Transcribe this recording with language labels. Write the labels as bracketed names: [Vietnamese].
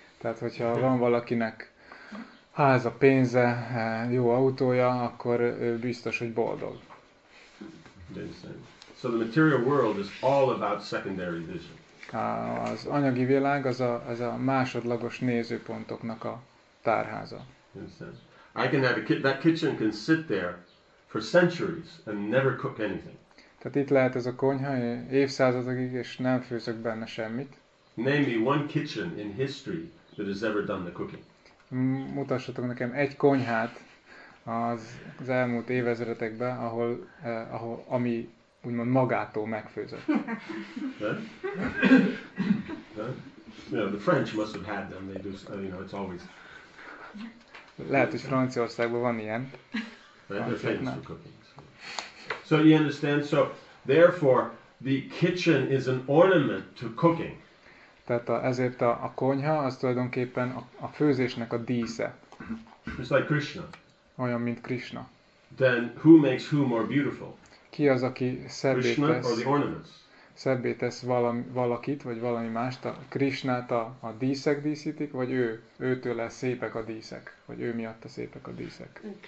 [Hungarian] Tehát hogyha van valakinek háza, pénze, jó autója, akkor ő biztos, hogy boldog. [English] Yes, so the material world is all about secondary vision. [Hungarian] Az anyagi világ az a, az a másodlagos nézőpontoknak a tárháza. [English] I can have a that kitchen can sit there for centuries and never cook anything. [Hungarian] Tehát itt lehet ez a konyha évszázadokig és nem főzök benne semmit. [English] Name me one kitchen in history that has ever done the cooking. [Hungarian] Mutassatok nekem egy konyhát az elmúlt évezredekben, ahol ami úgymond magától megfőzött. [English] You know, the French must have had them. They do, you know, it's always. [Hungarian] Lehet, hogy Franciaországban van ilyen. [English] They're famous for cooking. So you understand? So therefore, the kitchen is an ornament to cooking. [Hungarian] Tehát ezért a konyha az tulajdonképpen a főzésnek a dísze. [English] It's like Krishna. [Hungarian] Olyan, mint Krishna. [English] Then who makes who more beautiful? [Hungarian] Ki az, aki szebbé tesz valakit, vagy valami mást, a Krishnát a díszek díszítik, vagy őtől lesz szépek a díszek, vagy ő miatt a szépek a díszek.